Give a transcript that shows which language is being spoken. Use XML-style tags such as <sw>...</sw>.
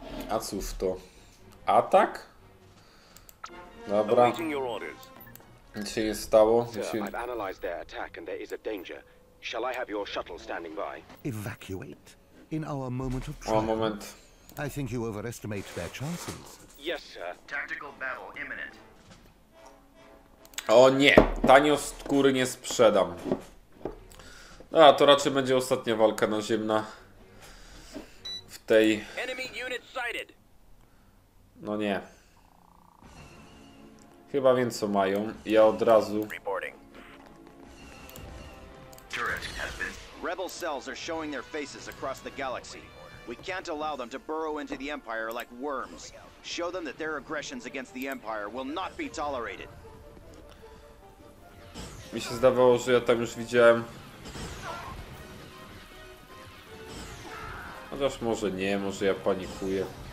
<pl>A cóż to? Atak? Dobra. Co się stało?</pl> <en>I've analyzed their attack and there is a danger. Shall I have your shuttle standing by? Evacuate? In our moment of trial.</en> <pl>O, moment.</pl> <en>I think you overestimate their chances. Yes, sir. Tactical battle imminent.</en> <pl>O nie! Tanio skóry nie sprzedam. A, to raczej będzie ostatnia walka naziemna. W tej...</pl> <en>Enemy unit sighted.</en> <pl>No nie. Chyba wiem, co mają. Ja od razu...</pl> <en>Reporting. Turret has been... Rebel cells are showing their faces across the galaxy. We can't allow them to burrow into the Empire like worms. Show them that their aggressions against the Empire will not be tolerated.</en> <pl>Mi się zdawało, że ja tam już widziałem. Chociaż może nie, może ja panikuję.</pl>